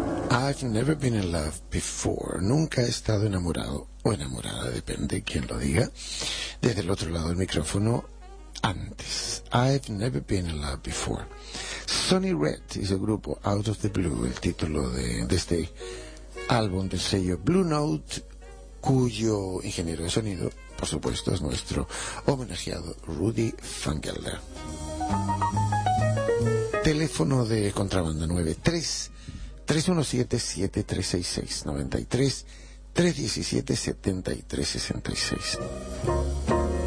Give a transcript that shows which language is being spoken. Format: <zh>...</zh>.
<en>I've never been in love before.</en> <es>Nunca he estado enamorado o enamorada, depende de quién lo diga. Desde el otro lado del micrófono, antes.</es> <en>I've never been in love before.</en> <es>Sonny Red y su grupo Out of the Blue, el título de este álbum del sello Blue Note, cuyo ingeniero de sonido, por supuesto, es nuestro homenajeado Rudy Van Gelder. Teléfono de Contrabanda 93-317-7366, 93-317-7366.</es>